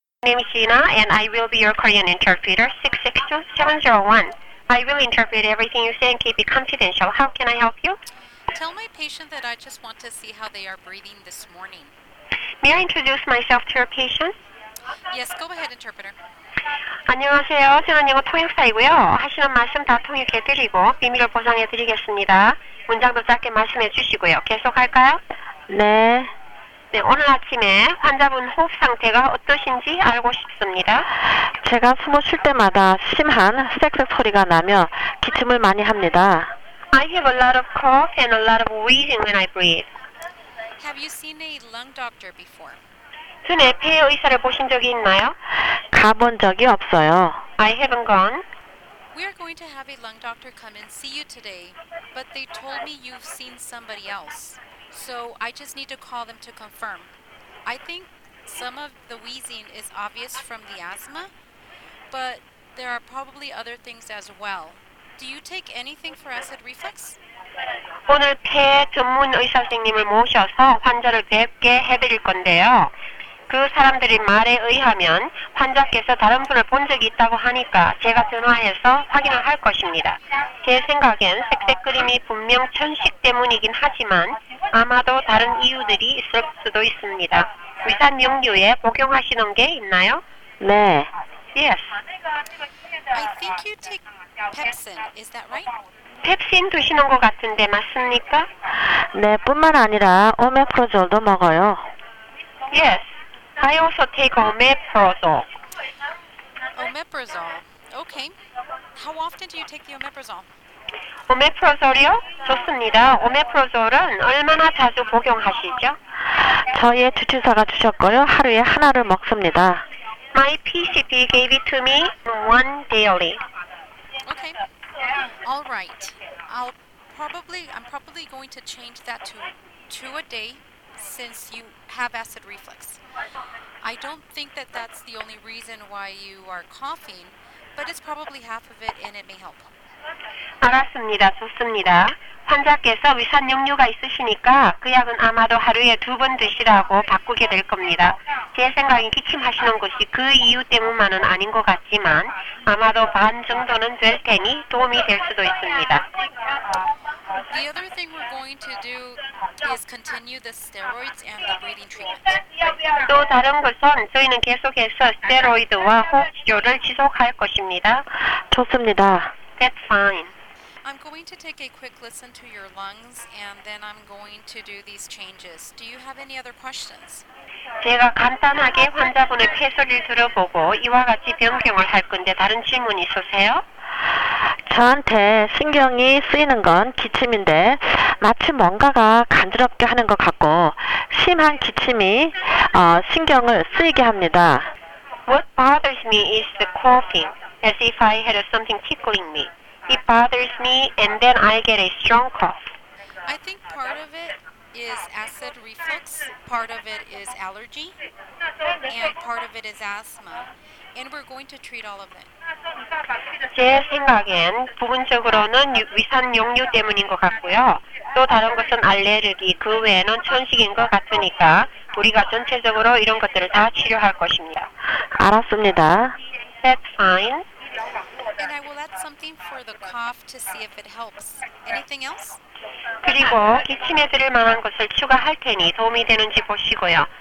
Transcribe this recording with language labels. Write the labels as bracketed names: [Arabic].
[English] name is Gina, and I will be your Korean interpreter, 662-701. I will interpret everything you say and keep it confidential. How can I help you? Tell my patient that I just want to see how they are breathing this morning. May I introduce myself to your patient? Yes, go ahead, interpreter. [Korean] 안녕하세요. 저는 영어 통역사이고요. 하시는 말씀 다 통역해 드리고 비밀을 보장해 드리겠습니다. 문장도 짧게 말씀해 주시고요. 계속할까요? 네. 네, 오늘 아침에 환자분 호흡 상태가 어떠신지 알고 싶습니다. 제가 숨을 쉴 때마다 심한 쌕쌕 소리가 나며 기침을 많이 합니다. [English] I have a lot of cough and a lot of wheezing when I breathe. Have you seen a lung doctor before? [Korean] 전에 폐 의사를 보신 적이 있나요? 가본 적이 없어요. [English] I haven't gone. We are going to have a lung doctor come and see you today, but they told me you've seen somebody else. So I just need to call them to confirm. I think some of the wheezing is obvious from the asthma, but there are probably other things as well. Do you take anything for acid reflux? [Korean] 오늘 폐 전문 의사 선생님을 모셔서 환자를 뵙게 해드릴 건데요. 그 사람들의 말에 의하면 환자께서 다른 분을 본 적이 있다고 하니까 제가 전화해서 확인을 할 것입니다. 제 생각엔 색색그림이 분명 천식 때문이긴 하지만 아마도 다른 이유들이 있을 수도 있습니다. 위산 용류에 복용하시는 게 있나요? 네. [English] Yes. I think you take pepsin. Is that right? [Korean] 펩신 드시는 것 같은데 맞습니까? 네, 뿐만 아니라 오메프로졸도 먹어요. [English] Yes. I also take omeprazole. Omeprazole. Okay. How often do you take the omeprazole? [Korean] 오메프라졸이요? 좋습니다. 오메프라졸은 얼마나 자주 복용하시죠? 저희의 주치사가 주셨고요. 하루에 하나를 먹습니다. [English] My PCP gave it to me one daily. Okay. All right. I'm probably going to change that to two a day since you have acid reflux. I don't think that that's the only reason why you are coughing, but it's probably half of it and it may help. [Korean] 알았습니다. 좋습니다. 환자께서 위산 역류가 있으시니까 그 약은 아마도 하루에 두 번 드시라고 바꾸게 될 겁니다. 제 생각엔 기침하시는 것이 그 이유 때문만은 아닌 것 같지만 아마도 반 정도는 될 테니 도움이 될 수도 있습니다. [English] The other thing we're going to do is continue the steroids and the breathing treatment. [Korean] 또 다른 것은 저희는 계속해서 스테로이드와 호흡 치료를 지속할 것입니다. 좋습니다. [English] That's fine. I'm going to take a quick listen to your lungs and then I'm going to do these changes. Do you have any other questions? [Korean] 제가 간단하게 환자분의 폐소리를 들어보고 이와 같이 변경을 할 건데 다른 질문 있으세요? 저한테 신경이 쓰이는 건 기침인데 마치 뭔가가 간지럽게 하는 것 같고 심한 기침이 신경을 쓰이게 합니다. [English] What bothers me is the coughing. As if I had something tickling me. It bothers me, and then I get a strong cough. I think part of it is acid reflux, part of it is allergy, and part of it is asthma. And we're going to treat all of it. [Korean] 제 생각엔 부분적으로는 위산 역류 때문인 것 같고요. 또 다른 것은 알레르기, 그 외에는 천식인 것 같으니까 우리가 전체적으로 이런 것들을 다 치료할 것입니다. 알았습니다. [English] That's fine. And I will add something for the cough to see if it helps. Anything else? [Korean] 그리고 기침에 들을 만한 것을 추가할 테니 도움이 되는지 보시고요.